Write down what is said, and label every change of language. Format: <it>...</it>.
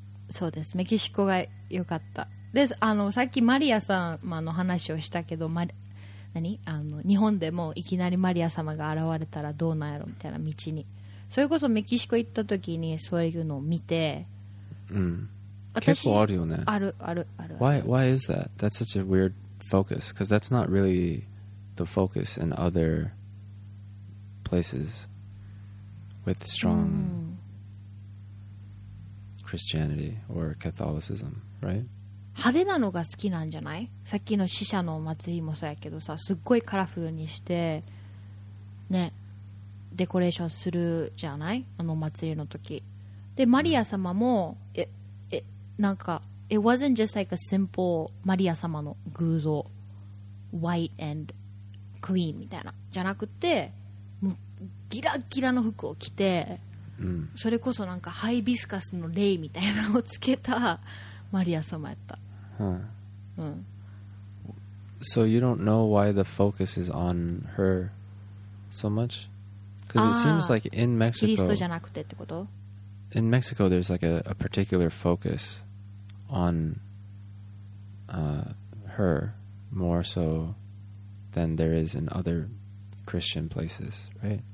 <ja>そうです、メキシコが良かったです。さっきマリア様の話をしたけど、何、日本でもいきなりマリア様が現れたらどうなんやろみたいな、道に、それこそメキシコ行った時にそういうのを見て、うん、結構あるよね、あるあるある。</ja> <en>Why is that? That's such a weird focus, because that's not really the focus in other places with strong、うん、Christianity or Catholicism, right?</en> <ja>派手なのが好きなんじゃない、さっきの死者の祭りもそうやけどさ、すっごいカラフルにしてね、デコレーションするじゃない、あの祭りの時で、マリア様も、うん、なんか</ja> <en>It wasn't just like a simple</en> <ja>マリア様の偶像</ja> <en>White and clean</en> <ja>みたいな、じゃなくてもうギラギラの服を着て、うん、それこそなんかハイビスカスのレイみたいなのをつけたマリア様やった、 huh. うん、</ja> <en>So you don't know why the focus is on her so much? Because it seems like in Mexico,</en> <ja>キリストじゃなくてってこと?</ja> <en>In Mexico, there's like a particular focus on her more so than there is in other Christian places, right?</en>